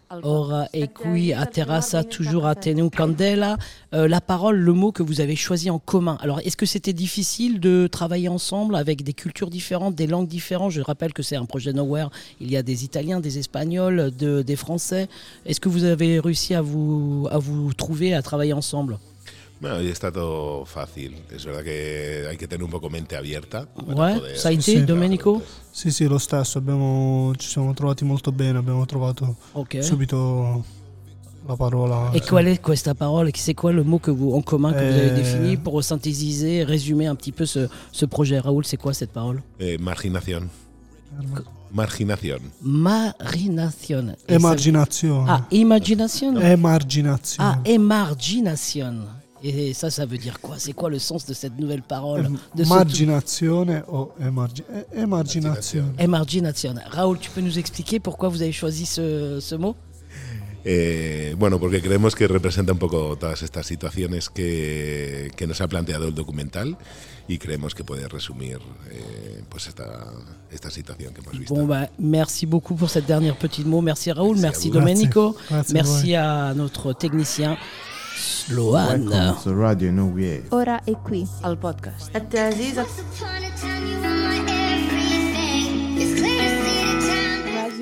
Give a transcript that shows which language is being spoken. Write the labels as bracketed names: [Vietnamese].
[Italian] Ora è qui a Terrassa, [French] toujours [Italian] a Ateneo Candela. [French] La parole, le mot que vous avez choisi en commun. Alors, est-ce que c'était difficile de travailler ensemble avec des cultures différentes, des langues différentes ? Je rappelle que c'est un projet Nowhere. Il y a des Italiens, des Espagnols, des Français. Est-ce que vous avez réussi à vous trouver, à travailler ensemble ? [Spanish] Bueno, y está todo fácil. Es verdad que hay que tener un poco mente abierta. ¿Sabes? Bueno, sí, Domenico. [Italian] Sí, sí, lo stesso. Ci siamo trovati molto bene. Abbiamo trovato subito la parola. [French] Et quelle est cette parole? C'est quoi le mot que vous avez défini pour synthétiser, résumer un petit peu ce projet, Raoul? C'est quoi cette parole? [Spanish] Marginación. Marginación. Marginación. Emarginación. Ah, imaginación. Emarginación. [French] Ah, emarginación. Et ça veut dire quoi ? C'est quoi le sens de cette nouvelle parole ? Marginazione ou emarginazione ? [Italian] Emarginazione. [French] Raoul, tu peux nous expliquer pourquoi vous avez choisi ce mot ? [Spanish] Bueno, porque creemos que representa un poco todas estas situaciones que nos ha planteado el documental y creemos que puede resumir pues esta situación que hemos visto. [French] Bon, bah, merci beaucoup pour cette dernière petite mot. Merci Raoul, merci Domenico, merci à notre technicien. Sloan. [English] Welcome to Radio Nowhere. [Italian] Ora è qui. Al podcast. At the Aziz. [English] Radio Nowhere.